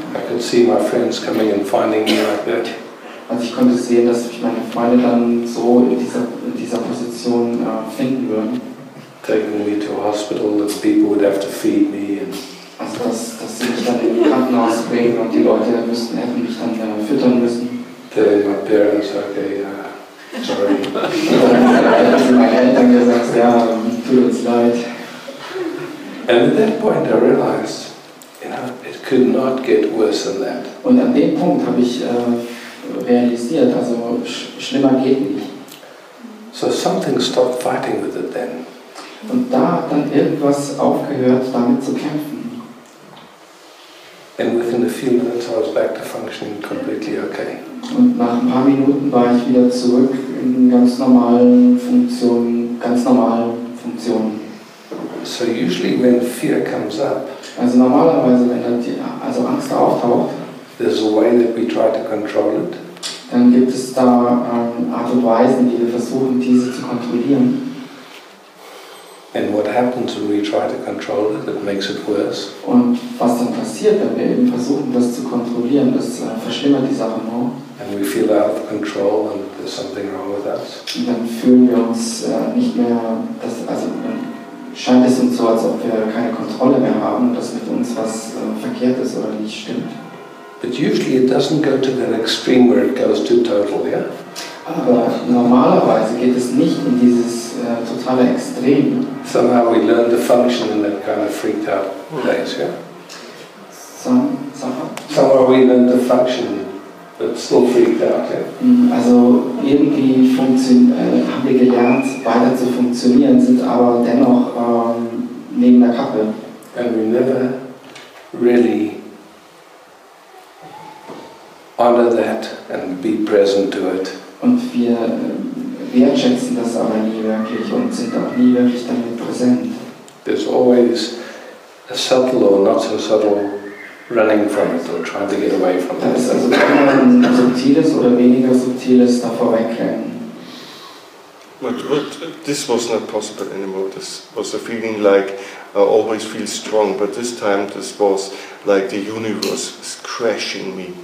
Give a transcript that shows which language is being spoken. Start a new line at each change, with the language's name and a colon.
English: I could see my friends coming and finding me like that.
German: Also ich konnte sehen, dass mich meine Freunde dann so in dieser Position finden würden.
English: Taking me to a hospital that people would have to feed me and
German: also dass sie mich dann in die Krankenhaus bringen und die Leute hätten mich dann füttern müssen.
English: Telling my parents, okay, sorry.
German: Also meine Eltern gesagt, ja, tut uns leid.
English: And at that point I realized, it could not get worse than that.
German: Und an dem Punkt habe ich realisiert, also schlimmer geht nicht.
English: So something stopped fighting with it then.
German: Und da hat dann irgendwas aufgehört, damit zu kämpfen.
English: And within a few minutes I was back to functioning completely okay.
German: Und nach ein paar Minuten war ich wieder zurück in ganz normalen Funktionen, ganz normalen Funktionen.
English: So usually when fear comes up,
German: also normalerweise, wenn Angst auftaucht,
English: there's a way that we try to control it.
German: Dann gibt es da Art und Weisen, die wir versuchen, diese zu kontrollieren.
English: And what happens when we try to control it, it makes it worse.
German: Und was dann passiert, wenn wir eben versuchen, das zu kontrollieren, das verschlimmert die Sache nur.
English: And we feel out of control and there's something wrong with us.
German: Und dann fühlen wir uns nicht mehr, dass, also scheint es uns so, als ob wir keine Kontrolle mehr haben, dass mit uns was verkehrt ist oder nicht stimmt.
English: But usually it doesn't go to that extreme where it goes to total, yeah?
German: Aber normalerweise geht es nicht in dieses totale Extrem.
English: Somehow we learn to function in that kind of freaked out place, yeah? Somehow we learn to function, but still freaked out, yeah?
German: Also irgendwie haben wir gelernt, weiter zu funktionieren, sind aber dennoch neben der Kappe.
English: And we never really honor that and be present to it.
German: Und wir wertschätzen das aber nie wirklich und sind auch nie wirklich damit präsent.
English: There's always a subtle or not so subtle running from it or trying to get away from it.
German: Da ist also immer ein subtiles oder weniger subtiles davor wegrennen.
English: But this was not possible anymore. This was a feeling like I always feel strong, but this time this was like the universe is crashing me.